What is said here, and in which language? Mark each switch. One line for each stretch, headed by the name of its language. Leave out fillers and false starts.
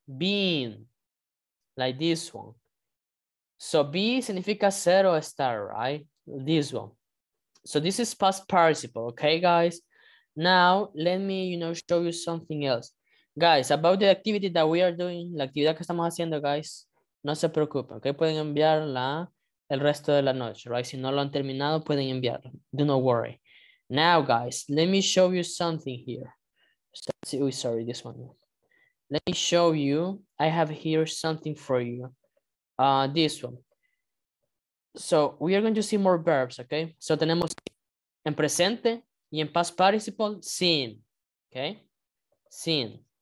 English: Being, like this one. So be
Spanish: significa ser o estar,
English: right? This one. So this is past participle, okay, guys? Now, let me, you know, show you something else. Guys, about the activity that we are doing,
Spanish: la actividad que estamos haciendo,
English: guys,
Spanish: no se preocupen,
English: okay?
Spanish: Pueden enviarla el resto de la noche, right? Si no lo han terminado, pueden enviarla.
English: Do not worry. Now, guys, let me show you something here. So, sorry, this one. Let me show you. I have here something for you. This one. So we are going to see more verbs, okay? So
Spanish: tenemos en presente y en
English: past participle, seen, okay? Seen.